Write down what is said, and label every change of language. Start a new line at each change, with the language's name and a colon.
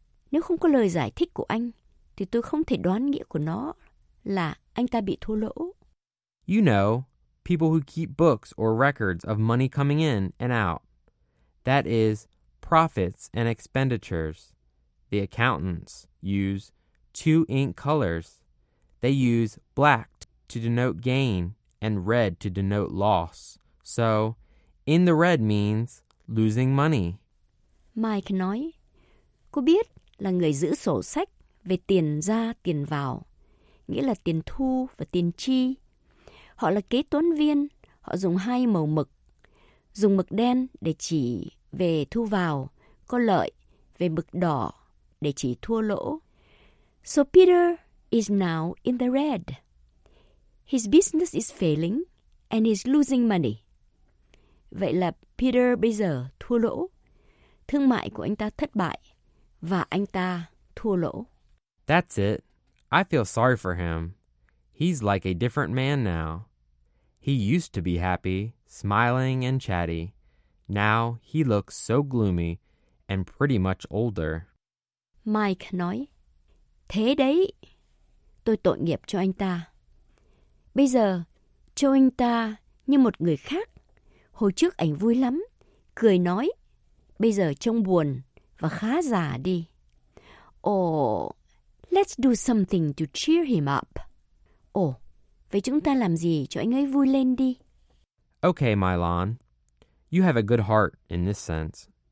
Vietnamese: Nếu không có lời giải thích của anh, thì tôi không thể đoán nghĩa của nó là anh ta bị thua lỗ.
English: You know, people who keep books or records of money coming in and out. That is, profits and expenditures. The accountants use two ink colors. They use black to denote gain and red to denote loss. So, in the red means losing money.
Vietnamese: Mike nói, cô biết là người giữ sổ sách về tiền ra tiền vào, nghĩa là tiền thu và tiền chi. Họ là kế toán viên, họ dùng hai màu mực. Dùng mực đen để chỉ về thu vào, có lợi, về mực đỏ để chỉ thua lỗ.
English: So Peter is now in the red. His business is failing and he's losing money.
Vietnamese: Vậy là Peter bây giờ thua lỗ. Thương mại của anh ta thất bại và anh ta thua lỗ.
English: That's it. I feel sorry for him. He's like a different man now. He used to be happy, smiling and chatty. Now he looks so gloomy and pretty much older.
Vietnamese: Mike nói, thế đấy, tôi tội nghiệp cho anh ta. Bây giờ, cho anh ta như một người khác. Hồi trước anh vui lắm, cười nói, bây giờ trông buồn và khá già đi.
English: Oh, let's do something to cheer him up.
Vietnamese: Oh, vậy chúng ta làm gì cho anh ấy vui lên đi?
English: Okay, Mylon, you have a good heart in this sense.